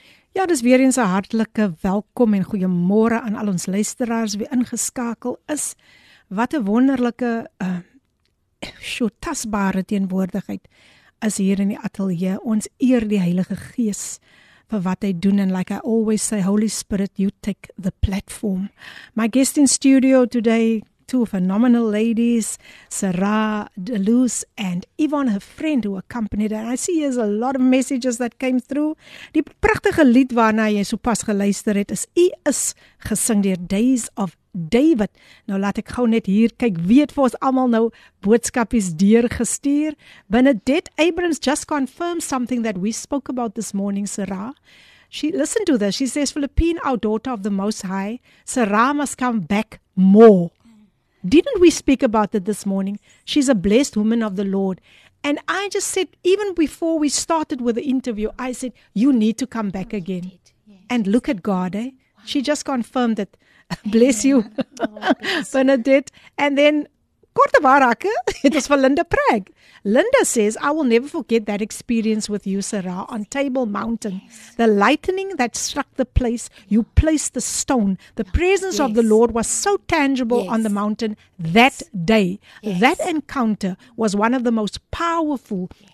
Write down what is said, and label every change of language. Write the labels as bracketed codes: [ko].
[af] Ja, dis weer eens 'n hartlike welkom en goeiemôre aan al ons luisteraars wie ingeskakel is. Wat 'n wonderlike tasbare teenwoordigheid is hier in die ateljee. Ons eer die Heilige Gees vir wat hy doen. [en] And like I always say, Holy Spirit, you take the platform. My guest in studio today, two phenomenal ladies, Sarah Deluz and Yvonne, her friend who accompanied her. And I see there's a lot of messages that came through. [af] Die prachtige lied waarna jy so pas geluister het, is U is gesing deur Days of David. Nou laat ek gou net hier kyk, weet vir ons almal nou boodskapies deurgestuur. [en] Bernadette Abrams just confirmed something that we spoke about this morning, Sarah. She listened to this. She says, Philippine, our daughter of the Most High, Sarah must come back more. Didn't we speak about it this morning? She's a blessed woman of the Lord. And I just said, even before we started with the interview, I said, you need to come back again. And look at God, eh? She just confirmed it. Bless you, Bernadette. And then [af] korte waarhakke het ons van Linda Preg. [en] Linda says, I will never forget that experience with you, Sarah, on Table Mountain. Yes. The lightning that struck the place, you placed the stone. The presence yes. of the Lord was so tangible yes. on the mountain that yes. day. Yes. That encounter was one of the most powerful yes.